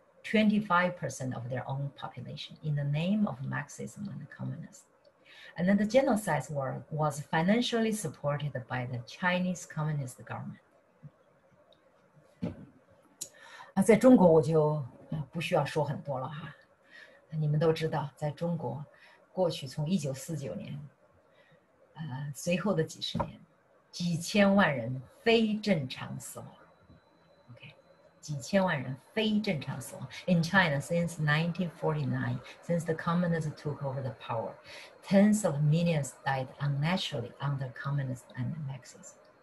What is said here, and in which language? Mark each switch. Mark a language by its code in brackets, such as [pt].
[en] 25% of their own population in the name of Marxism and communism. And then the genocide was financially supported by the Chinese communist government. [zh] 在中国我就不需要说很多了哈，你们都知道，在中国过去从1949年，随后的几十年，几千万人非正常死亡。几千万人非正常死亡. [en] In China, since 1949, since the communists took over the power, tens of millions died unnaturally under communism and Marxism.